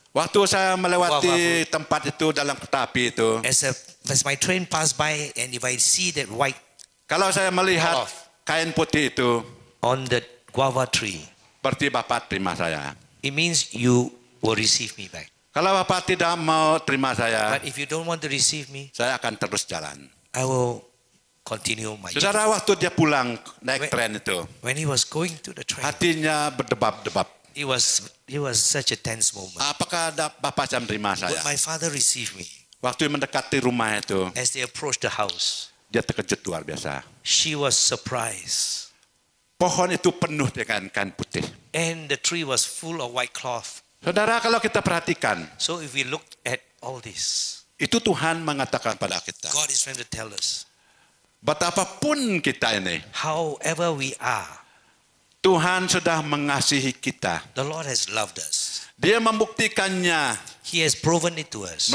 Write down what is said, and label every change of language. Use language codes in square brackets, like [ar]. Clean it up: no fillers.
[id] Waktu saya melewati tempat itu dalam kereta api itu, [en] as my train pass by and if I see that white, [id] kalau saya melihat cloth kain putih itu [en] on the guava tree, [id] berarti bapak terima saya. [en] It means you will receive me back. [id] Kalau bapak tidak mau terima saya, [en] but if you don't want to receive me, [id] saya akan terus jalan. [en] I will continue my. [id] Sejarah waktu dia pulang naik tren itu. [en] When he was going to the train. [id] Hatinya berdebab-debab. [en] It was such a tense moment. [id] Apakah bapak jam terima saya? [en] Would my father receive me? [id] Waktu mendekati rumah itu. [en] As they approached the house. [id] Dia terkejut luar biasa. [en] She was surprised. [id] Pohon itu penuh dengan kain putih. [en] And the tree was full of white cloth. [id] Saudara, kalau kita perhatikan, [en] so if we look at all this, [id] itu Tuhan mengatakan pada kita. [en] God is trying to tell us. [id] Betapapun kita ini, [en] however we are, [id] Tuhan sudah mengasihi kita. [en] The Lord has loved us. [id] Dia membuktikannya. [en] He has proven it to us.